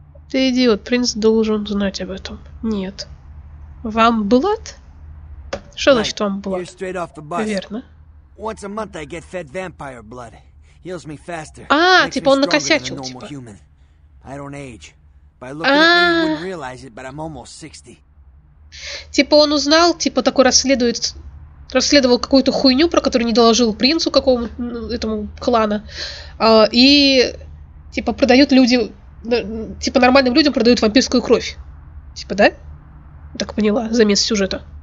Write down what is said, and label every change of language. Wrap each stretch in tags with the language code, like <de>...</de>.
<ru>Ты идиот, принц должен знать об этом. Нет. Вам блуд? Что значит вам блуд? Верно.</ru> <en>Once a month I get fed vampire blood. Heals me faster.</en> <ru>А, типа он накосячил, типа.</ru> <en>I don't age. By looking at me, you wouldn't realize it, but I'm almost 60.</en> <ru>Типа он узнал, типа такой расследовал какую-то хуйню, про которую не доложил принцу какому-то этому клана. И типа продают люди, типа нормальным людям продают вампирскую кровь. Типа, да? Так поняла, замес сюжета.</ru>